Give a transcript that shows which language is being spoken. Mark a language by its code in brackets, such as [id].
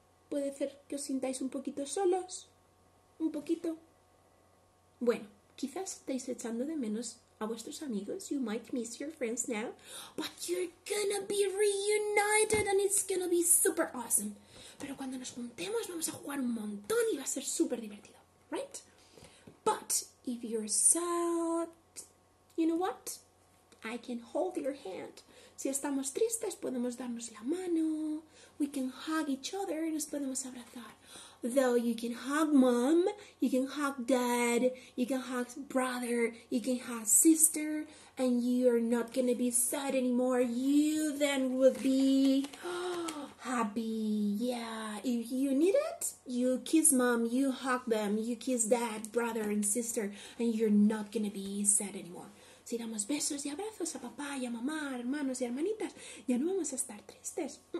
[es] Puede ser que os sintáis un poquito solos. Un poquito. Bueno, quizás estáis echando de menos a vuestros amigos. [en] You might miss your friends now. But you're gonna be reunited and it's gonna be super awesome. [es] Pero cuando nos juntemos vamos a jugar un montón y va a ser super divertido. [en] Right? But if you're sad, you know what? I can hold your hand. [es] Si estamos tristes, podemos darnos la mano. [en] We can hug each other [es] y nos podemos abrazar. [en] Though you can hug mom, you can hug dad, you can hug brother, you can hug sister, and you're not going to be sad anymore. You then would be happy. Yeah, if you need it, you kiss mom, you hug them, you kiss dad, brother, and sister, and you're not going to be sad anymore. [es] Si damos besos y abrazos a papá y a mamá, hermanos y hermanitas, ya no vamos a estar tristes.